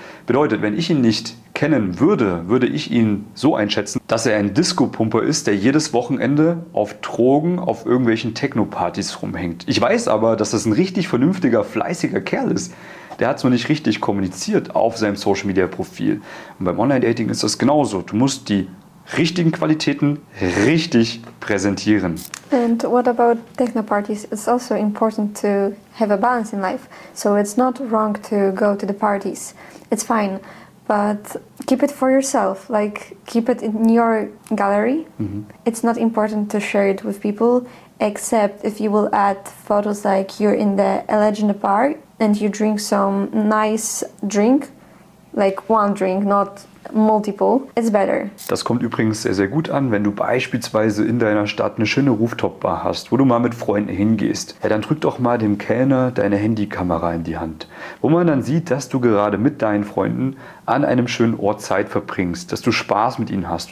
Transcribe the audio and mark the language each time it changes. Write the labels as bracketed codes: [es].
[de] Bedeutet, wenn ich ihn nicht kennen würde, würde ich ihn so einschätzen, dass er ein Disco-Pumper ist, der jedes Wochenende auf Drogen auf irgendwelchen Techno-Partys rumhängt. Ich weiß aber, dass das ein richtig vernünftiger, fleißiger Kerl ist. Der hat es nur nicht richtig kommuniziert auf seinem Social-Media-Profil. Und beim Online-Dating ist das genauso. Du musst die richtigen Qualitäten richtig präsentieren. [en] And what about techno parties? It's also important to have a balance in life. So it's not wrong to go to the parties. It's fine, but keep it for yourself. Like keep it in your gallery. Mm-hmm. It's not important to share it with people, except if you will add photos like you're in the Legend Bar and you drink some nice drink, like one drink, not multiple, it's better. [de] Das kommt übrigens sehr, sehr gut an, wenn du beispielsweise in deiner Stadt eine schöne Rooftop-Bar hast, wo du mal mit Freunden hingehst. Ja, dann drück doch mal dem Kellner deine Handykamera in die Hand, wo man dann sieht, dass du gerade mit deinen Freunden an einem schönen Ort Zeit verbringst, dass du Spaß mit ihnen hast.